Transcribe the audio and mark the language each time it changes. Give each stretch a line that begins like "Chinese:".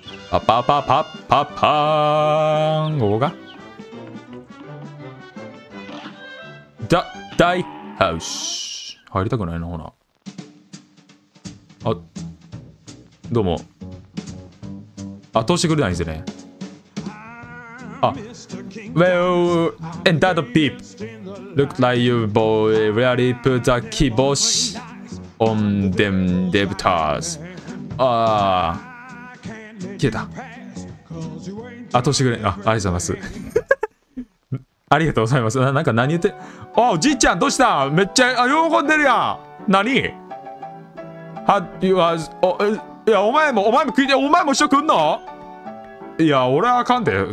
Japanese: パッパッパッパッパッパーン。ここか。ダ、ダイハウス。入りたくないな、ほな。あ、どうも。あ、通してくれないんですね。あ、
English: Well, and that peep looked like you boy really put the kibosh on them debtors.
Japanese: あー。消えた。あ、通してくれ。あ、ありがとうございます。ありがとうございます。なんか何言って。あ、おじいちゃん、どうした、めっちゃ、あ、喜んでるやん。何は、いや、お前も、お前も食いて、お前も一緒食んの、いや、俺はあかんで。